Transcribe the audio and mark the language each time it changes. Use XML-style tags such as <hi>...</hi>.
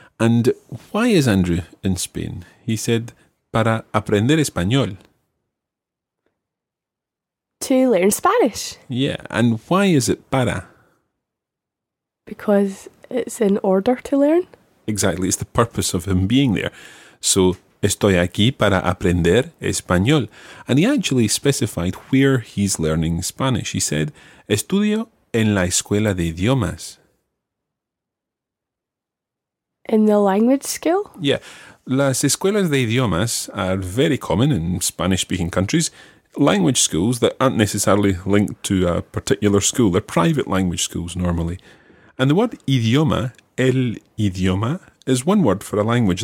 <en>And why is Andrew in Spain? He said,</en> <es>para aprender español.</es> <en>to learn Spanish. Yeah, and why is it para? Because it's in order to learn. Exactly, it's the purpose of him being there.</en> <es>So, estoy aquí para aprender español.</es> <en>And he actually specified where he's learning Spanish. He said,</en> <es>estudio en la escuela de idiomas.</es> <en>In the language school? Yeah.</en> <es>Las escuelas de idiomas</es> <en>are very common in Spanish-speaking countries. Language schools that aren't necessarily linked to a particular school. They're private language schools normally. And the word idioma, el idioma, is one word for a language.</en>